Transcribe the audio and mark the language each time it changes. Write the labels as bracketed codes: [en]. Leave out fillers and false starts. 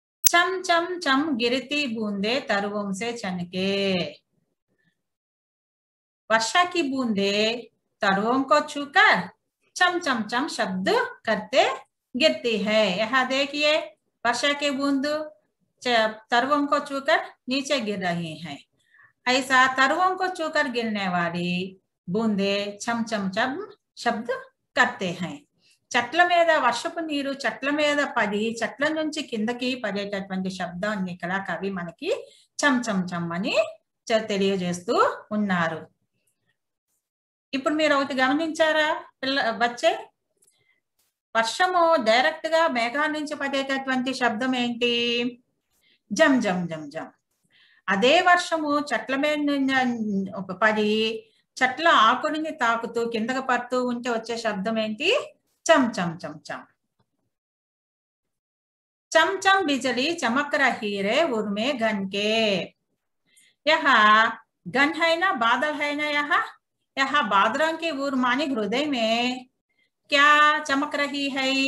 [hi] चम चम चम गिरती बूंदे तरुओं से चनके, वर्षा की बूंदे तरुओं को छूकर चम चम चम शब्द करते गिरती है। यहाँ देखिए वर्षा के बूंद तरुओं को छूकर नीचे गिर रहे हैं, ऐसा तरुओं को छूकर गिरने वाली बूंदे चम चम चम शब्द करते हैं। [te] చెట్ల మీద వర్షపు నీరు చెట్ల మీద పడి చెట్ల నుంచి కిందకి పడేటటువంటి శబ్దాన్ని ఇక్కడ కవి మనకి చం చం చం అని తెలియజేస్తూ ఉన్నారు. ఇప్పుడు మీరు ఒకటి గమనించారా పిల్ల బచ్చే, వర్షము డైరెక్ట్ గా మేఘాల నుంచి పడేటటువంటి శబ్దం ఏంటి? జం జం జం జం. అదే వర్షము చెట్ల మీద పడి చెట్ల ఆకుడిని తాకుతూ కిందకి పడుతూ ఉంటే వచ్చే శబ్దం ఏంటి? [hi] चम चम चम चम। चम चम बिजली चमक रही रे उर्मे घन के, यह घन है ना बादल है ना, यह बादलों के उर मानी हृदय में क्या चमक रही है?